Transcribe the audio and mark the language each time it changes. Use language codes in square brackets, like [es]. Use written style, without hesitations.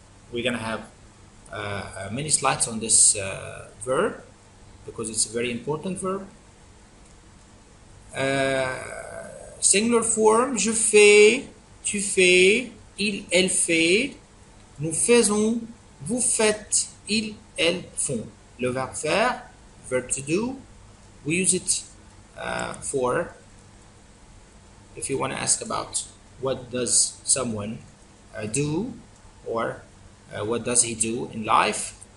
[en] We're going to have many slides on this verb because it's a very important verb. Singular form, [fr] je fais, tu fais, il, elle fait, nous faisons, vous faites, ils, elles font. Le verbe faire, [en] verb to do, we use it for, if you want to ask about what does someone do or what does he do in life.